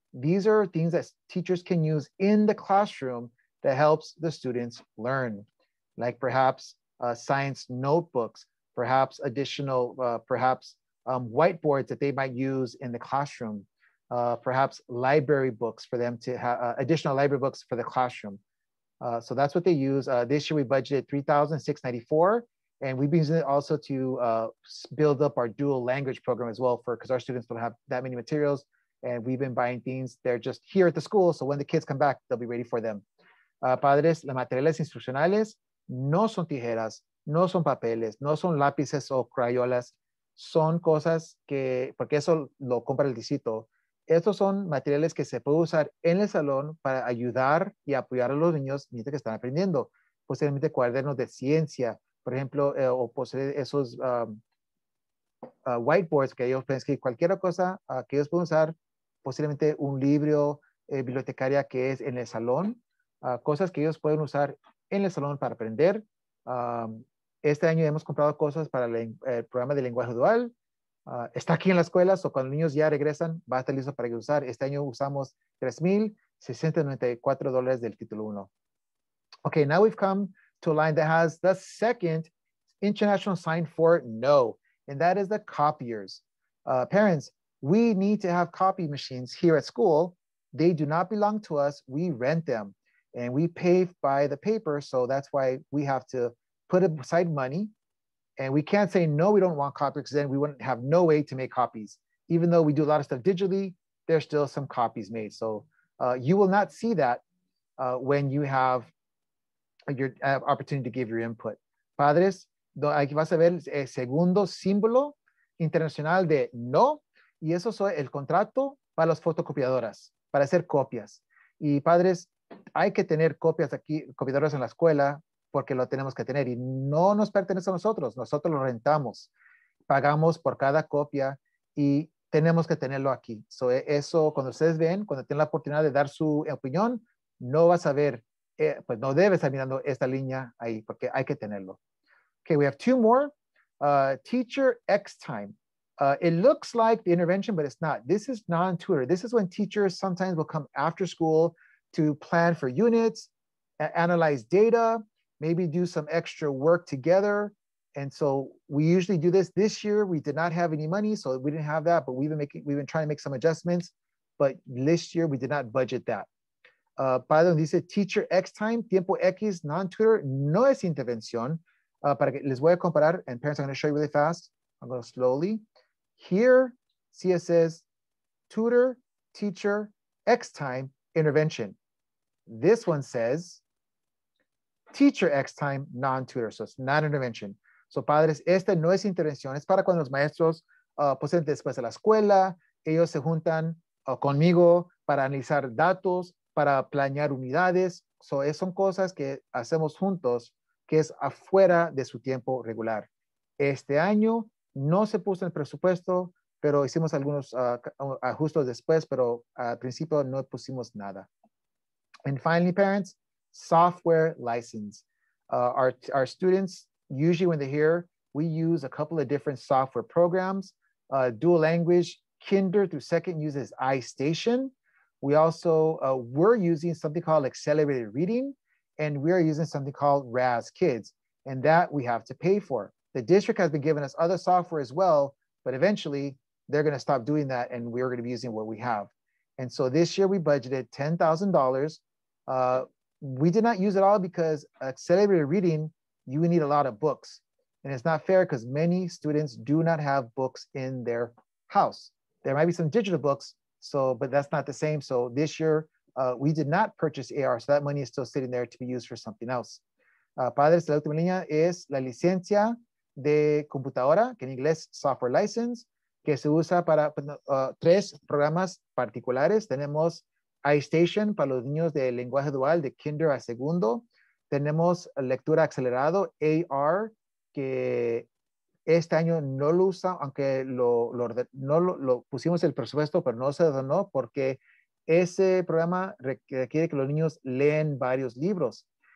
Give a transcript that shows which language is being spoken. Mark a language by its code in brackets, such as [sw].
[en] These are things that teachers can use in the classroom that helps the students learn, like perhaps science notebooks, perhaps additional, whiteboards that they might use in the classroom, perhaps library books for them to have, additional library books for the classroom. So that's what they use. This year we budgeted $3,694, and we've been using it also to build up our dual language program as well, for because our students don't have that many materials, and we've been buying things. They're just here at the school, so when the kids come back, they'll be ready for them. [es] Padres, los materiales instruccionales no son tijeras, no son papeles, no son lápices o crayolas, son cosas que, porque eso lo compra el distrito. Estos son materiales que se puede usar en el salón para ayudar y apoyar a los niños mientras que están aprendiendo. Posiblemente cuadernos de ciencia, por ejemplo, o posee esos whiteboards que ellos pensan que cualquier cosa que ellos pueden usar, posiblemente un libro bibliotecaria que es en el salón, cosas que ellos pueden usar en el salón para aprender. Este año hemos comprado cosas para el programa de lenguaje dual. Está aquí en las escuelas, o cuando los niños ya regresan, va a estar listo para usar. Este año usamos $3,694 del título 1. [en] Okay, now we've come to a line that has the second international sign for no, and that is the copiers. Parents, we need to have copy machines here at school. They do not belong to us. We rent them, and we pay by the paper, so that's why we have to put aside money. And we can't say, no, we don't want copies, because then we wouldn't have no way to make copies. Even though we do a lot of stuff digitally, there's still some copies made. So you will not see that when you have your opportunity to give your input. [es] Padres, aquí vas a ver el segundo símbolo internacional de no. Y eso es el contrato para las fotocopiadoras, para hacer copias. Y padres, hay que tener copias aquí, copiadoras en la escuela, porque lo tenemos que tener y no nos pertenece a nosotros. Nosotros lo rentamos, pagamos por cada copia y tenemos que tenerlo aquí. So eso, cuando ustedes ven, cuando tienen la oportunidad de dar su opinión, no vas a ver, pues no debes estar mirando esta línea ahí, porque hay que tenerlo. [en] Okay, we have two more. Teacher X time. It looks like the intervention, but it's not. This is non-tutor. This is when teachers sometimes will come after school to plan for units, analyze data, maybe do some extra work together. And so we usually do this. This year, we did not have any money, so we didn't have that, but we've been trying to make some adjustments. But this year, we did not budget that. By the way, [es] dice teacher X time, tiempo X, non-tutor, no es intervención. Para que les voy a comparar, [en] and parents, I'm gonna show you really fast. I'm gonna go slowly. Here, see it says tutor, teacher, X time, intervention. This one says teacher X time, non-tutor, so it's not intervention. [es] So padres, esta no es intervención, es para cuando los maestros posen después de la escuela, ellos se juntan conmigo para analizar datos, para planear unidades, so es, son cosas que hacemos juntos, que es afuera de su tiempo regular. Este año no se puso en el presupuesto, pero hicimos algunos ajustes después, pero al principio no pusimos nada. [en] And finally, parents, software license. Our students, usually when they're here, we use a couple of different software programs. Dual language, kinder through second uses iStation. We also were using something called accelerated reading, and we are using something called RAS Kids, and that we have to pay for. The district has been giving us other software as well, but eventually they're gonna stop doing that and we're gonna be using what we have. And so this year we budgeted $10,000. We did not use it all because accelerated reading, you need a lot of books. And it's not fair because many students do not have books in their house. There might be some digital books, but that's not the same. So this year, we did not purchase AR. So that money is still sitting there to be used for something else. [es] Padres de la última línea es la licencia de computadora, que en inglés software license, que se usa para tres programas particulares. Tenemos iStation para los niños de lenguaje dual, de kinder a segundo. Tenemos lectura acelerado, AR, que este año no lo usa, aunque lo pusimos el presupuesto, pero no se donó porque ese programa requiere que los niños leen varios libros.